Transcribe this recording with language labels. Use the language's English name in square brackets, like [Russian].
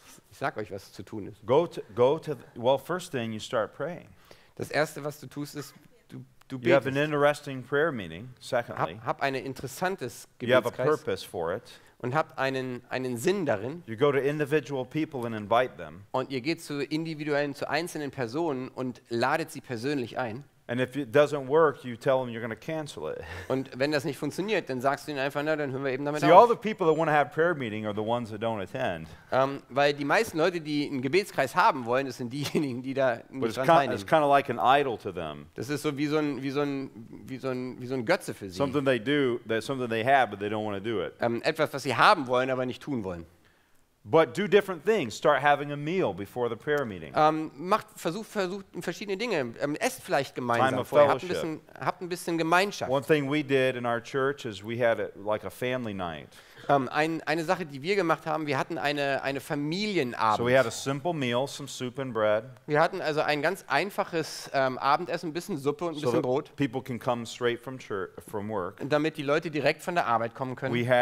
[German] Ich sag euch, was zu tun ist. [English] First thing, you start praying. [German] Das erste, was du tust, ist, du betest. [English] You have an interesting prayer meeting, secondly. [German] Hab ein interessantes Gebetskreis. [English] You have a purpose for it. [German] Und hab einen Sinn darin. [English] You go to individual people and invite them. [German] Und ihr geht zu individuellen, zu einzelnen Personen und ladet sie persönlich ein. [English] And if it doesn't work, you tell them you're going to cancel it. [German] Und wenn das nicht funktioniert, dann sagst du ihnen einfach, na, dann hören wir eben damit auf. [English] See, all the people that want to have prayer meeting are the ones that don't attend. [German] Weil die meisten Leute, die einen Gebetskreis haben wollen, das sind diejenigen, die da nicht dran teilnehmen. [English] But it's kind of like an idol to them. [German] Das ist so wie so ein Götze für sie. [English] Something they do, that something they have, but they don't want to do it. [German] Etwas, was sie haben wollen, aber nicht tun wollen. [English] But do different things. Start having a meal before the prayer meeting. [German] Versucht verschiedene Dinge. Esst vielleicht gemeinsam. [English] Time of fellowship. [German] Habt ein bisschen Gemeinschaft. [English] One thing we did in our church is we had like a family night. [German] Eine Sache, die wir gemacht haben, wir hatten eine Familienabend. [English] So we had a simple meal, some soup and bread. [German] Wir hatten also ein ganz einfaches Abendessen, ein bisschen Suppe und ein bisschen Brot. [English] People can come straight from church, from work. [German] Damit die Leute direkt von der Arbeit kommen können.